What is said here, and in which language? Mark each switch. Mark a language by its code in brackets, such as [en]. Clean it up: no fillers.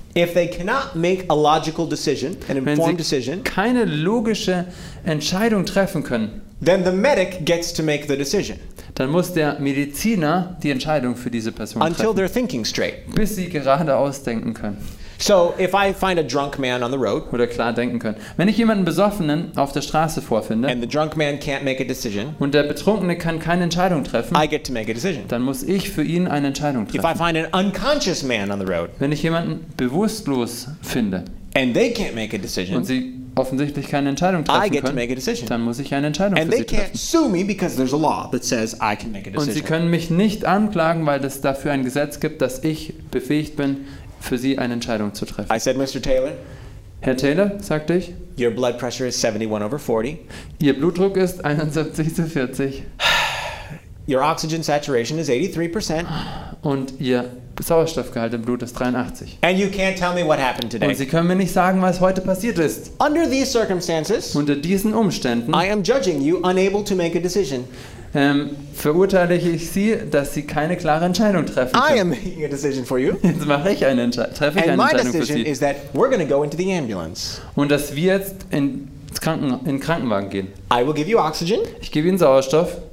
[en] if they cannot make a logical decision, an informed decision, [de] keine logische Entscheidung treffen können, [en] then the medic gets to make the decision. [de] Dann muss der Mediziner die Entscheidung für diese Person treffen. [en] Until they're thinking straight. [de] Bis sie gerade ausdenken können. [en] So, if I find a drunk man on the road, [de] oder klar denken können. Wenn ich jemanden Besoffenen auf der Straße vorfinde, [en] and the drunk man can't make a decision, [de] und der Betrunkene kann keine Entscheidung treffen, [en] I get to make a decision. [de] Dann muss ich für ihn eine Entscheidung treffen. [en] If I find an unconscious man on the road, [de] wenn ich jemanden bewusstlos finde, [en] and they can't make a decision, [de] und sie offensichtlich keine Entscheidung treffen [en] I get [de] können, [en] to make a decision. [de] Dann muss ich eine Entscheidung [en] and [de] für sie treffen. [en] And they can't sue me because there's a law that says I can make a decision. [de] Und sie können mich nicht anklagen, weil es dafür ein Gesetz gibt, dass ich befähigt bin, für sie eine Entscheidung zu treffen. [en] I said, Mr. Taylor. [de] Herr Taylor, sagte ich. [en] Your blood pressure is 71 over 40. [de] Ihr Blutdruck ist 71 zu 40. [en] Your oxygen saturation is 83%. [de] Und ihr Sauerstoffgehalt im Blut ist 83. [en] And you can't tell me what happened today. [de] Und Sie können mir nicht sagen, was heute passiert ist. [en] Under these circumstances, [de] unter diesen Umständen, [en] I am judging you unable to make a decision. [de] Verurteile ich Sie, dass Sie keine klare Entscheidung treffen können. [en] I am making a decision for you. [de] Jetzt mache ich eine Entscheidung für Sie. [en] And my decision is that we're going to go into the ambulance. [de] Und dass wir jetzt in den Krankenwagen gehen. [en] I will give you oxygen. [de] Ich gebe Ihnen Sauerstoff.